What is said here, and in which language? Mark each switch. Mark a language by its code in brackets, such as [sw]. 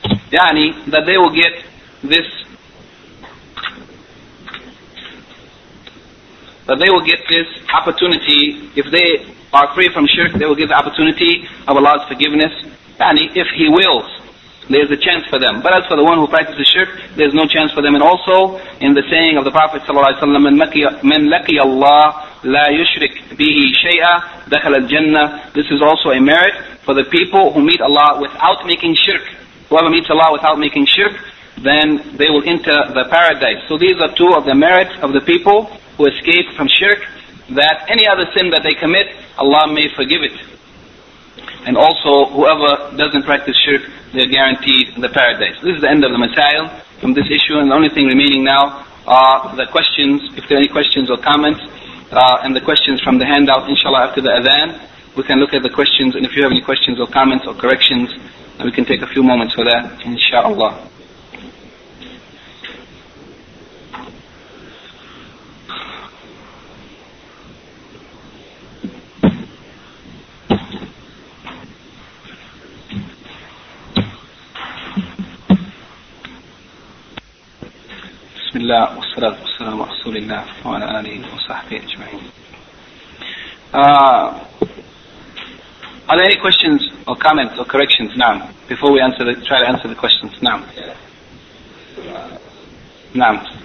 [en] Yani that they will get this, that they will get this opportunity. If they are free from shirk, they will get the opportunity of Allah's forgiveness. Yani if He wills, there's a chance for them. But as for the one who practices shirk, there's no chance for them. And also, in the saying of the Prophet ﷺ, [ar] مَنْ لَقِيَ اللَّهِ لَا يُشْرِكْ بِهِ شَيْئًا دَخَلَ الْجَنَّةِ. [en] This is also a merit for the people who meet Allah without making shirk. Whoever meets Allah without making shirk, then they will enter the paradise. So these are two of the merits of the people who escape from shirk, that any other sin that they commit, Allah may forgive it. And also, whoever doesn't practice shirk, they are guaranteed the paradise. This is the end of the masail from this issue, and the only thing remaining now are the questions, if there are any questions or comments, and the questions from the handout, inshallah, after the adhan. We can look at the questions, and if you have any questions or comments or corrections, then we can take a few moments for that, inshallah. [ar] بسم الله والصلاة والسلام على رسول الله وعلى آله وصحبه أجمعين. [en] Are there any questions or comments or corrections now before we answer the, try to answer the questions now? Now.